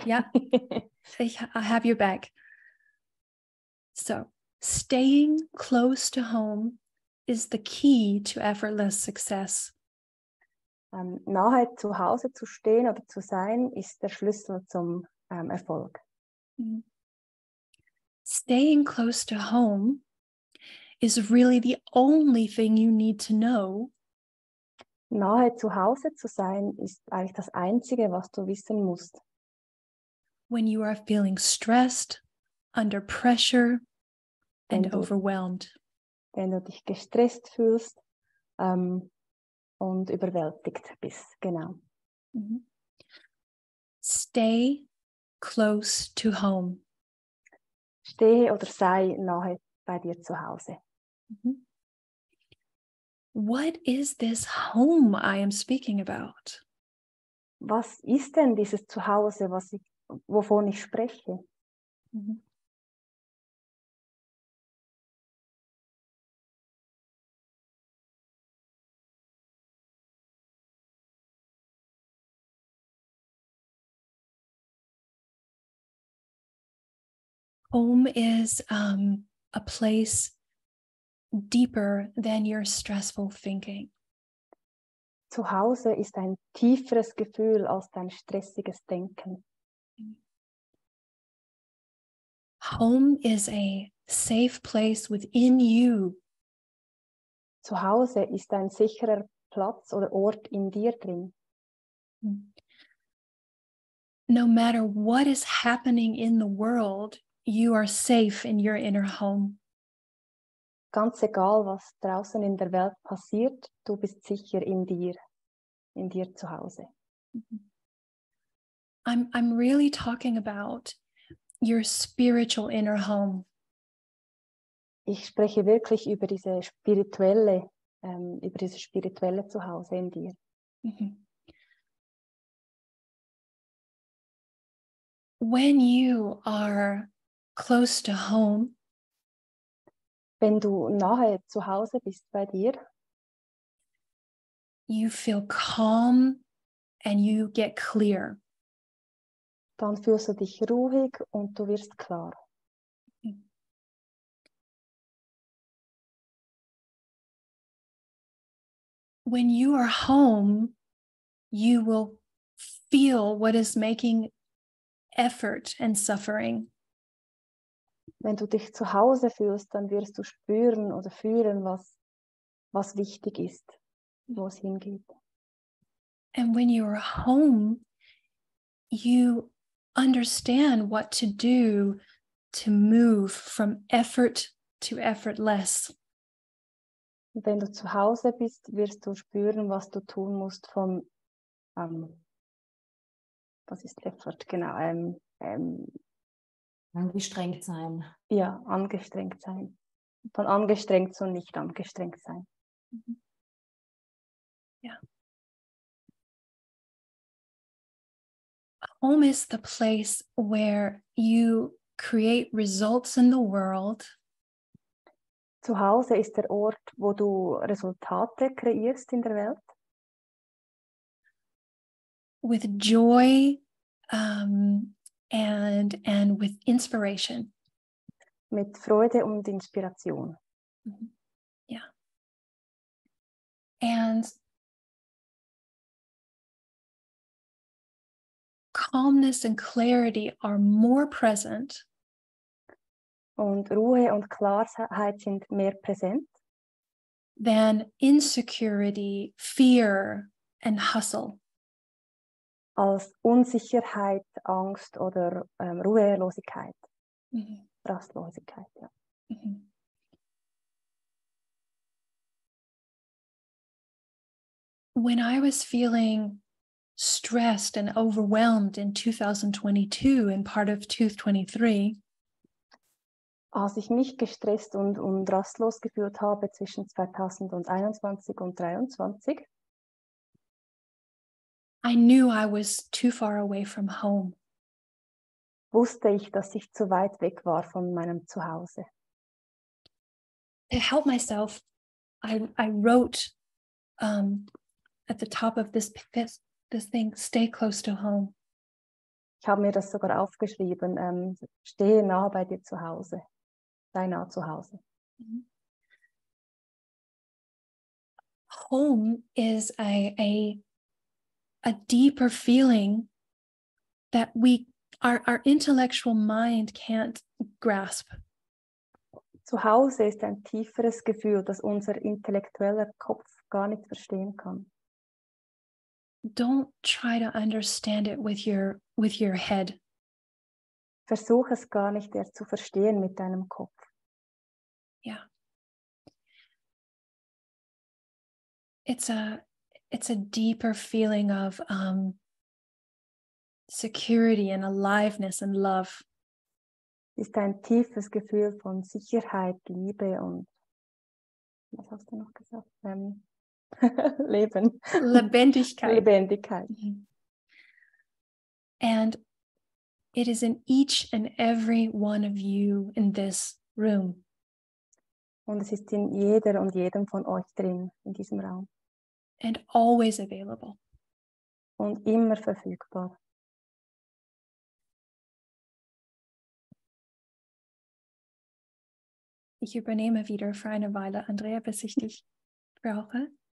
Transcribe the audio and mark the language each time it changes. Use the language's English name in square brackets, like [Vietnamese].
[English] Ja, I have your back. So, staying close to home is the key to effortless success. [German] Nahe zu Hause zu stehen oder zu sein, ist der Schlüssel zum Erfolg. [English] Staying close to home is really the only thing you need to know. [German] Nahe zu Hause zu sein, ist eigentlich das Einzige, was du wissen musst. [English] When you are feeling stressed, under pressure and overwhelmed. [German] Wenn du dich gestresst fühlst und überwältigt bist, genau. [English] Stay close to home. [German] Stehe oder sei nahe bei dir zu Hause. [English] What is this home I am speaking about? [German] Was ist denn dieses Zuhause, wovon ich spreche? [English] Home is a place deeper than your stressful thinking. [German] Zu Hause ist ein tieferes Gefühl als dein stressiges Denken. [English] Home is a safe place within you. [German] Zu Hause ist ein sicherer Platz oder Ort in dir drin. [English] No matter what is happening in the world, you are safe in your inner home. [German] Ganz egal, was draußen in der Welt passiert, du bist sicher in dir. in dir zu Hause. [English] I'm really talking about your spiritual inner home. [German] Ich spreche wirklich über diese spirituelle, über dieses spirituelle Zuhause in dir. [English] When you are close to home, [German] wenn du nahe zu Hause bist bei dir, [English] you feel calm and you get clear. [German] Dann fühlst du dich ruhig und du wirst klar. [English] When you are home, you will feel what is making effort and suffering. [German] Wenn du dich zu Hause fühlst, dann wirst du spüren oder fühlen, was wichtig ist, wo es hingeht. [English] And when you are home, you understand what to do to move from effort to effortless. [German] Wenn du zu Hause bist, wirst du spüren, was du tun musst von was ist effort, genau, angestrengt sein. Ja, angestrengt sein. Von angestrengt zu nicht angestrengt sein. Ja. [English] Home is the place where you create results in the world. [German] Zu Hause ist der Ort, wo du Resultate kreierst in der Welt. [English] With joy and with inspiration. [German] Mit Freude und Inspiration. [English] Mm-hmm. Yeah. And calmness and clarity are more present. [German] Und Ruhe und Klarheit sind mehr präsent. [English] Than insecurity, fear and hustle. [German] Als Unsicherheit, Angst oder Ruhelosigkeit, mm-hmm. Rastlosigkeit. Ja. [English] When I was feeling stressed and overwhelmed in 2022 and part of 2023, [German] als ich mich gestresst und rastlos gefühlt habe zwischen 2021 und 2023, [English] I knew I was too far away from home. [German] Wusste ich, dass ich zu weit weg war von meinem Zuhause. [English] To help myself, I wrote at the top of this thing, stay close to home. [German] Ich habe mir das sogar aufgeschrieben, stehe nah bei dir zu Hause, sei nah zu Hause. [English] Home is a deeper feeling that we our intellectual mind can't grasp. [German] Zu Hause ist ein tieferes Gefühl, das unser intellektueller Kopf gar nicht verstehen kann. [English] Don't try to understand it with your head. [German] Versuch es gar nicht erst zu verstehen mit deinem Kopf. [English] Yeah. It's a deeper feeling of security and aliveness and love. [German] Ist ein tiefes Gefühl von Sicherheit, Liebe und was hast du noch gesagt? Leben. Lebendigkeit. Lebendigkeit. [English] And it is in each and every one of you in this room. [German] Und es ist in jeder und jedem von euch drin in diesem Raum. [English] And always available. [German] Und immer verfügbar. Ich übernehme wieder für eine Weile, Andrea, bis ich dich brauche.